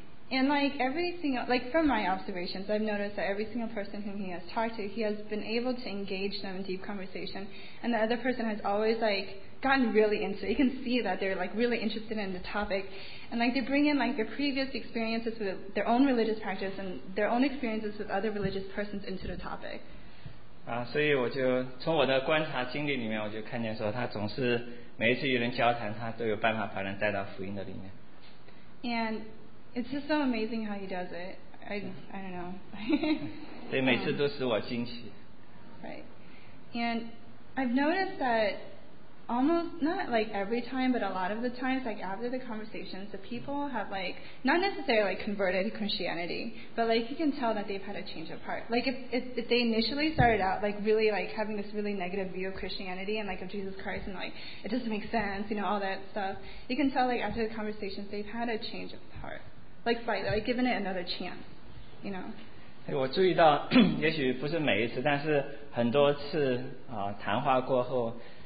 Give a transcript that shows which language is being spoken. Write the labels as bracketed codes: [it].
[en] And like everything, like from my observations, I've noticed that every single person whom he has talked to, he has been able to engage them in deep conversation. And the other person has always like gotten really into it. You can see that they're like really interested in the topic. And like they bring in like their previous experiences with their own religious practice and their own experiences with other religious persons into the topic. [zh] 所以我就从我的观察经历里面，我就看见说他总是每一次与人交谈，他都有办法把人带到福音的里面。 [en] And it's just so amazing how he does it. I don't know. [zh] 对，每次都使我惊奇。 [en] Right. And I've noticed that almost, not like every time, but a lot of the times, like after the conversations, the people have like, not necessarily like converted to Christianity, but like you can tell that they've had a change of heart. Like if they initially started out like really like having this really negative view of Christianity and like of Jesus Christ and like it doesn't make sense, you know, all that stuff, you can tell like after the conversations they've had a change of heart. Like by like given it another chance, you know. [zh] 我注意到，也许不是每一次，但是很多次谈话过后。